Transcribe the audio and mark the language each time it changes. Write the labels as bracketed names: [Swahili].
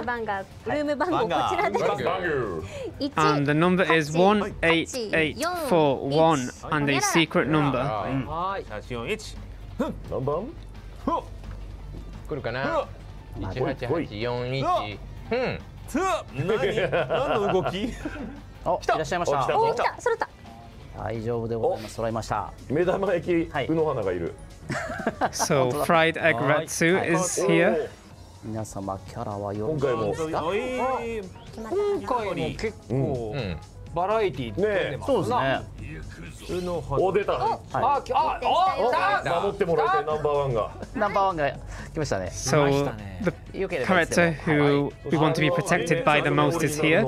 [Japanese] ルーム番号こちらです。 [English] And the number is 18841 and a secret number. [Japanese] はい。841。何番？来るかな？18841。うん。つ。何？何の動き？お、いらっしゃいました。お、来た、揃った。大丈夫でございます。揃いました。目玉焼き、はい、うの花がいる。 [English] So, fried egg ratsu is here. [Japanese] 皆様、キャラはよろしいですか？今回も結構、うん、バラエティー出てますね。そうですね。うの花。お、出た。はい、あ、来た、来た、来た。守ってもらいたい、ナンバーワンが。ナンバーワンが来ましたね。 [English] So, the character who we want to be protected by the most is here.